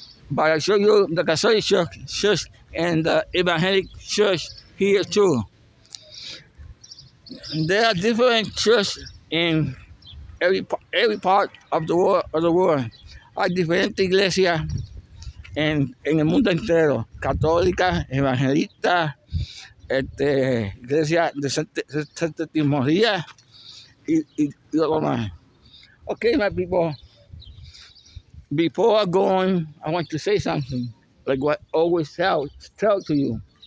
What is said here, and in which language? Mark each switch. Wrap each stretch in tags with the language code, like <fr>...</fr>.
<en>But I show you the Catholic Church and the Evangelic Church here too. There are different churches in every part of the world.</en> <es>Hay diferentes iglesias en el mundo entero. Católica, evangelista, iglesia de Santa Timoría y otro más.</es> <en>Okay, my people. Before I go on, I want to say something, like what I always tell to you.</en>